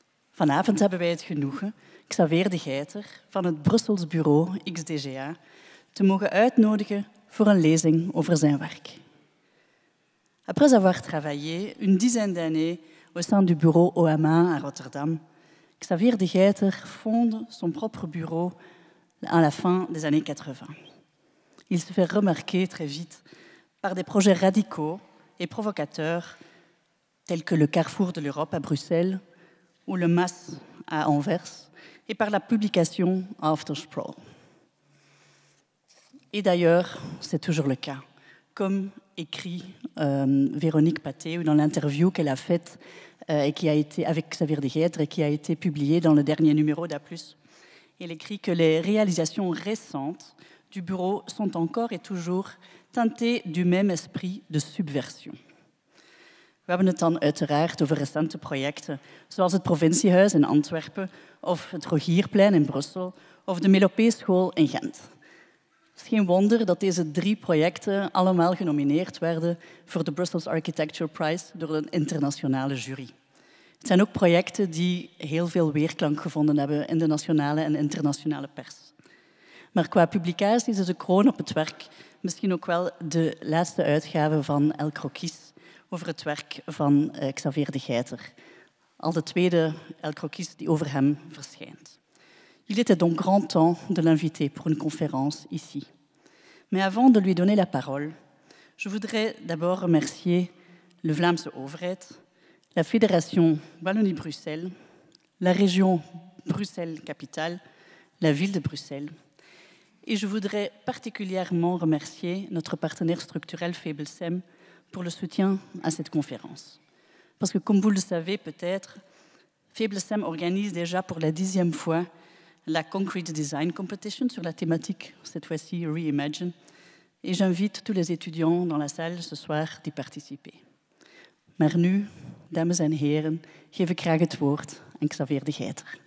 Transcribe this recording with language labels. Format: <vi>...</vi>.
<nl>Vanavond hebben wij het genoegen Xaveer De Geyter van het Brussels bureau XDGA te mogen uitnodigen voor een lezing over zijn werk.</nl> <fr>Après avoir travaillé une dizaine d'années au sein du bureau OMA à Rotterdam, Xaveer De Geyter fonde son propre bureau à la fin des années 80. Il se fait remarquer très vite par des projets radicaux et provocateurs tels que le Carrefour de l'Europe à Bruxelles ou le MAS à Anvers et par la publication After Sprawl. Et d'ailleurs, c'est toujours le cas, comme écrit Véronique Paté dans l'interview qu'elle a faite et qui a été avec Xaveer De Geyter et qui a été publiée dans le dernier numéro d'A+. Il écrit que les réalisations récentes du bureau sont encore et toujours teintées du même esprit de subversion.</fr> <nl>We hebben het dan uiteraard over recente projecten, zoals het Provinciehuis in Antwerpen, of het Rogierplein in Brussel, of de Melopée-school in Gent. Het is geen wonder dat deze drie projecten allemaal genomineerd werden voor de Brussels Architecture Prize door een internationale jury. Het zijn ook projecten die heel veel weerklank gevonden hebben in de nationale en internationale pers. Maar qua publicaties is de kroon op het werk misschien ook wel de laatste uitgave van El Croquis over het werk van Xaveer De Geyter. Al de tweede El Croquis die over hem verschijnt.</nl> <fr>Il était donc grand temps de l'inviter pour une conférence ici. Mais avant de lui donner la parole, je voudrais d'abord remercier le Vlaamse overheid, la Fédération Wallonie-Bruxelles, la région Bruxelles-Capitale, la ville de Bruxelles. Et je voudrais particulièrement remercier notre partenaire structurel Fabelsem pour le soutien à cette conférence. Parce que comme vous le savez peut-être, Fabelsem organise déjà pour la 10e fois la Concrete Design Competition sur la thématique, cette fois-ci Reimagine. Et j'invite tous les étudiants dans la salle ce soir d'y participer.</fr> <nl>Maar nu, dames en heren, geef ik graag het woord aan Xaveer De Geyter.</nl>